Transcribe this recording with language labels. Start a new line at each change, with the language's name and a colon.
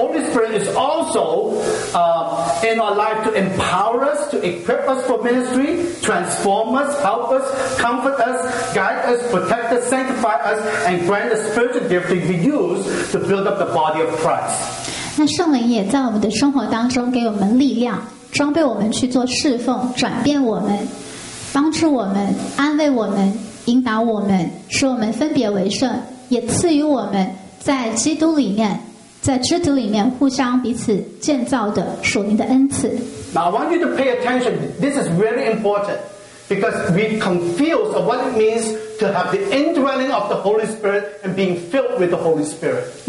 English: the Holy Spirit is also in our life to empower us, to equip us for ministry, transform us, help us, comfort us, guide us, protect us, sanctify us, and grant the spiritual gift to be used to build up the body of Christ.
Chinese: 那圣灵也在我们的生活当中给我们力量，装备我们去做侍奉，转变我们，帮助我们，安慰我们，引导我们，使我们分别为圣，也赐予我们在基督里面，在肢体里面互相彼此建造的属灵的恩赐。
English: Now I want you to pay attention. This is really important because we confuse of what it means to have the indwelling of the Holy Spirit and being filled with the Holy Spirit.